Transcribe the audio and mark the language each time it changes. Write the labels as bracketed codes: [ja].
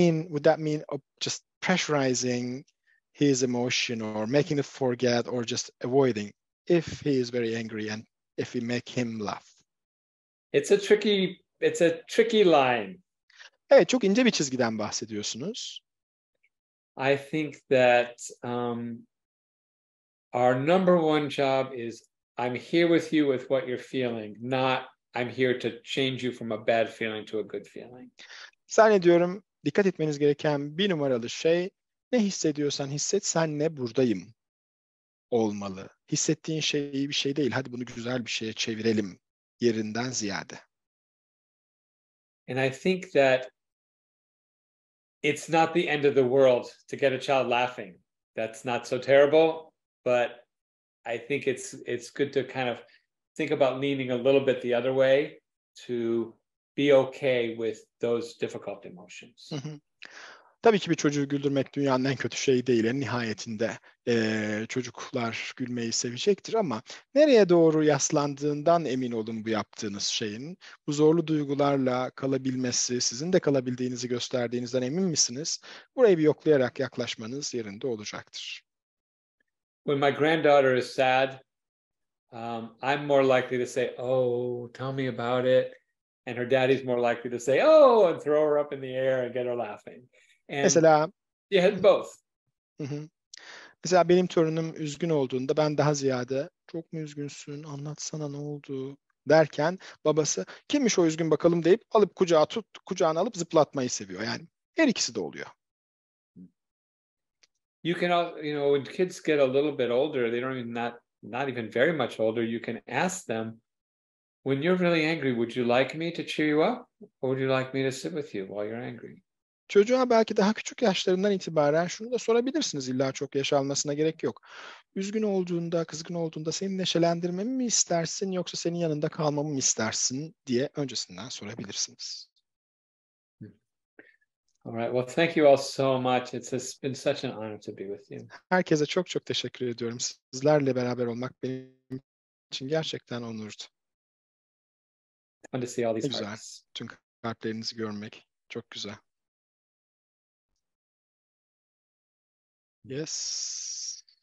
[en] Would that mean just pressurizing his emotion or making it forget or just avoiding if he is very angry and if we make him laugh? It's a tricky line. [tr] Evet, çok ince bir çizgiden bahsediyorsunuz. [en] I think that our number one job is I'm here with you with what you're feeling, not I'm here to change you from a bad feeling to a good feeling. [tr] Zannediyorum dikkat etmeniz gereken bir numaralı şey ne hissediyorsan hisset, senle buradayım olmalı. Hissettiğin şey iyi bir şey değil. Hadi bunu güzel bir şeye çevirelim yerinden ziyade. [en] And I think that it's not the end of the world to get a child laughing. That's not so terrible, but I think it's good to kind of think about leaning a little bit the other way to be okay with those difficult emotions. [tr] Tabii ki bir çocuğu güldürmek dünyanın en kötü şeyi değil. En nihayetinde çocuklar gülmeyi sevecektir ama nereye doğru yaslandığından emin olun bu yaptığınız şeyin. Bu zorlu duygularla kalabilmesi, sizin de kalabildiğinizi gösterdiğinizden emin misiniz? Burayı bir yoklayarak yaklaşmanız yerinde olacaktır. [en] When my granddaughter is sad, I'm more likely to say, oh, tell me about it. And her daddy's more likely to say, oh, and throw her up in the air and get her laughing. And [tr] mesela, [en] you had both. [tr] Mesela benim torunum üzgün olduğunda ben daha ziyade çok mu üzgünsün, anlatsana ne oldu derken babası kimmiş o üzgün bakalım deyip alıp kucağına alıp zıplatmayı seviyor. Yani her ikisi de oluyor. [en] You can, you know, when kids get a little bit older, they don't even not even very much older, you can ask them, when you're really angry, would you like me to cheer you up? Or would you like me to sit with you while you're angry? [tr] Çocuğa belki daha küçük yaşlarından itibaren şunu da sorabilirsiniz, illa çok yaş almasına gerek yok. Üzgün olduğunda, kızgın olduğunda seni neşelendirmemi mi istersin, yoksa senin yanında kalmamı mı istersin diye öncesinden sorabilirsiniz. [en] All right. Well, thank you all so much. It's been such an honor to be with you. [tr] Herkese çok çok teşekkür ediyorum. Sizlerle beraber olmak benim için gerçekten onurdu. [en] And to see all these [tr] güzel. [en] Hearts. [tr] Tüm kalplerinizi görmek çok güzel. [en] Yes.